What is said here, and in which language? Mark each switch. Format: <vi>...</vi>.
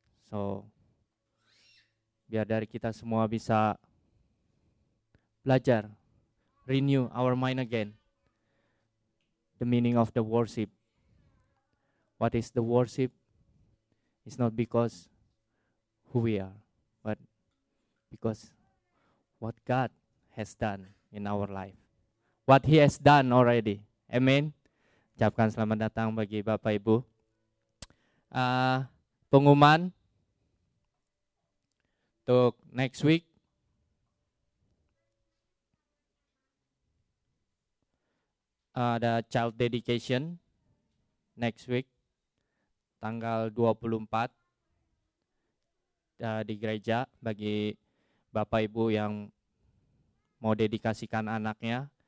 <id>So, biar dari kita semua bisa belajar,</id> <en>renew our mind again. The meaning of the worship. What is the worship? It's not because who we are, but because what God has done in our life. What he has done already.</en> <id>Amen. Ucapkan selamat datang bagi Bapak Ibu. Pengumuman untuk</id> <en>next week.</en> <id>Ada</id> <en>child dedication next week.</en> <id>Tanggal 24. Di gereja bagi Bapak Ibu yang mau dedikasikan anaknya.</id>